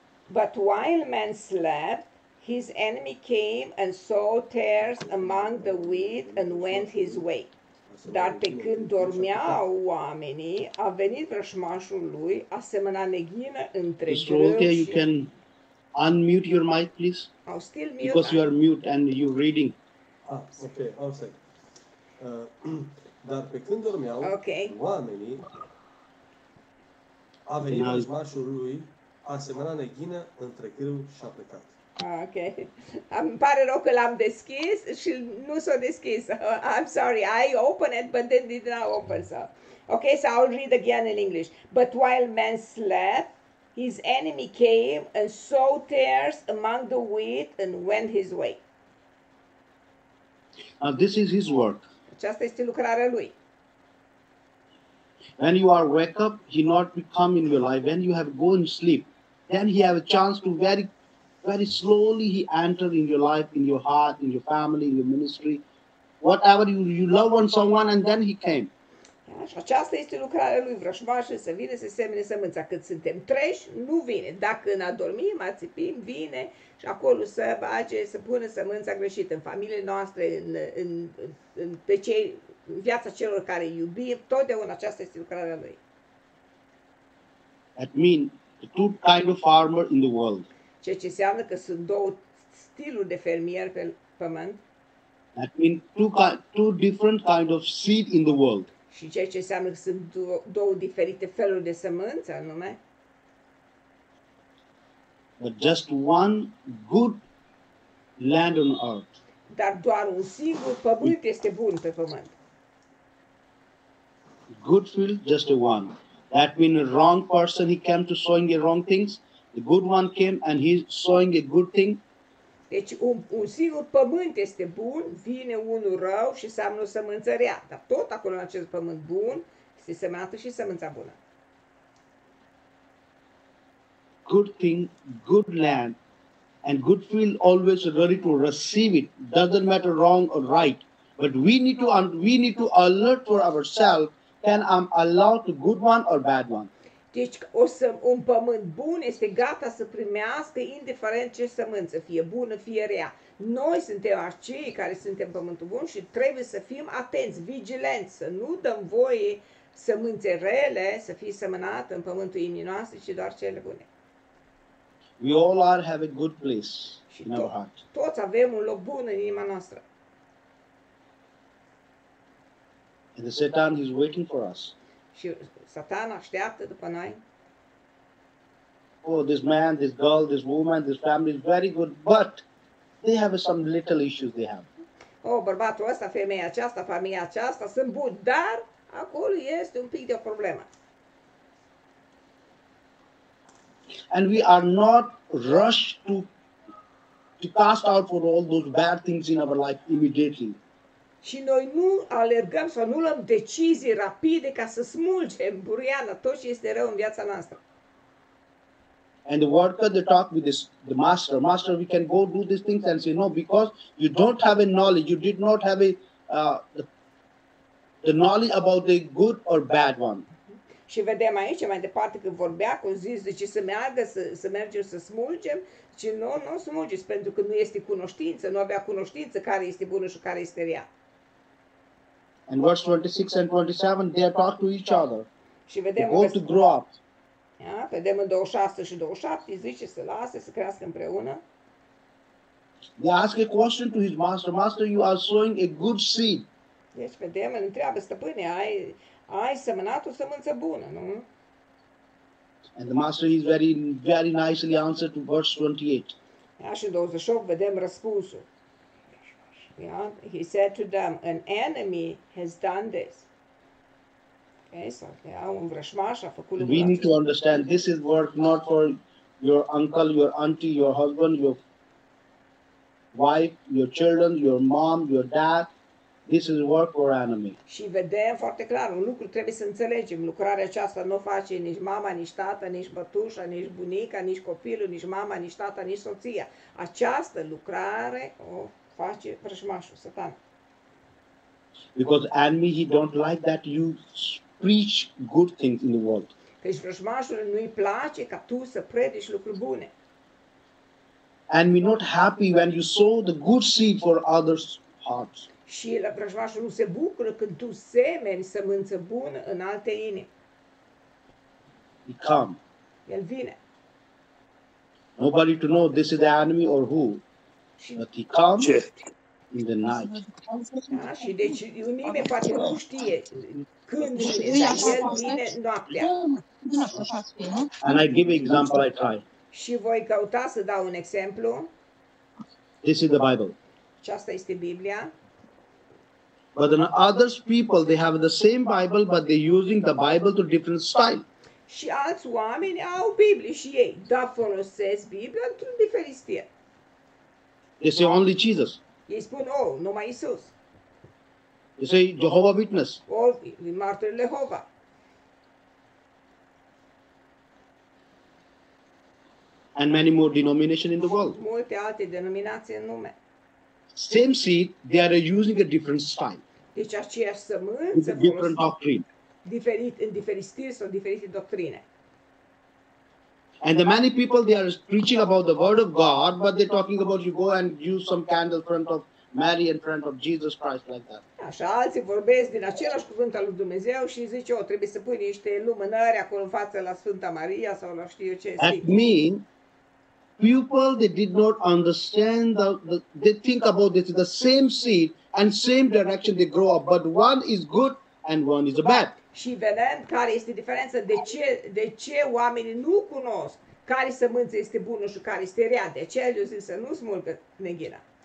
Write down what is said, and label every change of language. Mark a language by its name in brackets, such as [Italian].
[English] But while man slept, his enemy came and sowed tares among the wheat and went his way. [Romanian] Dar pe când dormeau oamenii, a venit vrășmașul lui, a semănat neghină între grâu. [English] Unmute your mic, please. I'll still mute. Because you are mute and you're reading. Ah, okay, I'll say. [Romanian] Dar pe când dormeau oamenii, a venit vrăjmașul lui, a semănat neghină între grâu și a plecat. [English] Okay. [Romanian] Îmi pare rău că l-am deschis și nu s-a deschis. [English] I'm sorry, I opened it, but then did not open. So. Okay, so I'll read again in English. But while men slept, his enemy came and sowed tares among the wheat and went his way. Now this is his work. [Romanian] Aceasta este lucrarea lui. [English] When you are wake up, he not come in your life. When you have go and sleep, then he have a chance to very, very slowly he enter in your life, in your heart, in your family, in your ministry, whatever you love on someone, and then he came. [Romanian] Și aceasta este lucrarea lui, vrășmașul să vină să semene sămânța. Cât suntem treși, nu vine. Dacă ne adormim, ațipim, vine și acolo să bage, să pună sămânța greșită în familiile noastre, în viața celor care iubim. Totdeauna aceasta este lucrarea lui. [English] That means the two kind of farmer in the world. [Romanian] Ceea ce înseamnă că sunt două stiluri de fermier pe pământ. [English] That means two different kind of seed in the world. [Romanian] Și ceea ce înseamnă că sunt două diferite feluri de sămânță, anume. [English] But just one good land on earth. [Romanian] Dar doar un singur pământ este bun pe pământ. [English] Good field, just one. That means a wrong person, he came to sowing the wrong things. The good one came and he's sowing a good thing. [Romanian] Deci un singur pământ este bun, vine unul rău și seamănă o sămânță rea. Dar tot acolo în acest pământ bun, este semănată și sămânța bună. [English] Good thing, good land, and good field always ready to receive it. Doesn't matter wrong or right. But we need to alert for ourselves. Can I allow the good one or bad one? [Romanian] Deci un pământ bun este gata să primească indiferent ce sămânță, fie bună, fie rea. Noi suntem acei care suntem pământul bun și trebuie să fim atenți, vigilenți, să nu dăm voie sămânțe rele să fie semănate în pământul inimii noastre, ci doar cele bune. [English] We all are have a good place in our heart. [Romanian] Toți avem un loc bun în inima noastră. [English] And the Satan is waiting for us. [Romanian] Și Satan așteaptă după noi. [English] Oh, this man, this girl, this woman, this family is very good, but they have some little issues they have. [Romanian] Oh, bărbatul ăsta, femeia aceasta, familia aceasta sunt buni, dar acolo este un pic de o problemă. [English] And we are not rushed to cast out for all those bad things in our life immediately. [Romanian] Și noi nu alergăm sau nu luăm decizii rapide ca să smulgem buriana tot ce este rău în viața noastră. [English] And the worker they talk with this the master. Master, we can go do these things and say no because you don't have a knowledge. You did not have the knowledge about the good or bad one. [Romanian] Și vedem aici mai departe că vorbea cu zis de ce să meargă să mergem să smulgem. Și nu smulgeți pentru că nu este cunoștință, nu avea cunoștință care este bună și care este rea. [English] And verse 26 and 27, they are talk to each other. [Romanian] Și vedem [English] they go to grow up. [Romanian] Ia, vedem în 26 și 27, zice să lase, să crească împreună. [English] They ask a question to his master. Master, you are sowing a good seed. [Romanian] Deci vedem, îl întreabă stăpâne, ai semănat o sămânță bună, nu? [English] And the master is very, very nicely answered to verse 28. [Romanian] Ia, și în 28 vedem răspunsul. [English] Yeah, he said to them, an enemy has done this. Okay, so [Romanian] un vrășmaș a făcut lucrul. [English] We need to understand this is work not for your uncle, your auntie, your husband, your wife, your children, your mom, your dad. This is work for enemy. [Romanian] Și vedem foarte clar, un lucru trebuie să înțelegem. Lucrarea aceasta nu face nici mama, nici tata, nici bătușa, nici bunica, nici copilul, nici mama, nici tata, nici soția. Această lucrare face vrăjmașul, Satan. [English] Because enemy he don't like that you preach good things in the world. [Romanian] Căci vrăjmașul nu-i place ca tu să predici lucruri bune. [English] And we're not happy when you sow the good seed for others' hearts. [Romanian] Și vrăjmașul nu se bucură când tu semeni sămânță bună în alte inimi. [English] He come. [Romanian] El vine. [English] Nobody to know this is the enemy or who. But he comes in the night. [Romanian] Da, și deci nimeni poate nu știe când el vine noaptea. [English] And I give an example I try. [Romanian] Și voi căuta să dau un exemplu. [English] This is the Bible. [Romanian] Aceasta este Biblia. [English] But then other people, they have the same Bible, but they're using the Bible to different style. [Romanian] Și alți oameni au Biblie și ei, dar folosesc Biblia într-un diferit stil. [English] They say only Jesus. [Romanian] Ei spun, oh, numai Isus. [English] They say Jehovah Witness. [Romanian] Oh, martirul Jehovah. [English] And many more denominations in the world. [Romanian] Multe alte denominații în lume. [English] Same seed, they are using a different style. [Romanian] Deci aceeași sămânță. [English] With a different doctrine. [Romanian] Diferit, în diferit stil sau diferite doctrine. [English] And the many people they are preaching about the word of God, but they're talking about you go and use some candle in front of Mary in front of Jesus Christ like that. [Romanian] Așa, alții vorbesc din același cuvânt al lui Dumnezeu și zice, oh, trebuie să pui niște lumânări acolo în față la Sfânta Maria sau la știu eu ce. [English] That means people they did not understand they think about this the same seed and same direction they grow up, but one is good and one is a bat. [Romanian] Și vedem care este diferența, de ce oamenii nu cunosc care sămânță este bună și care este rea. De ce eu zic să nu smulgă neghina.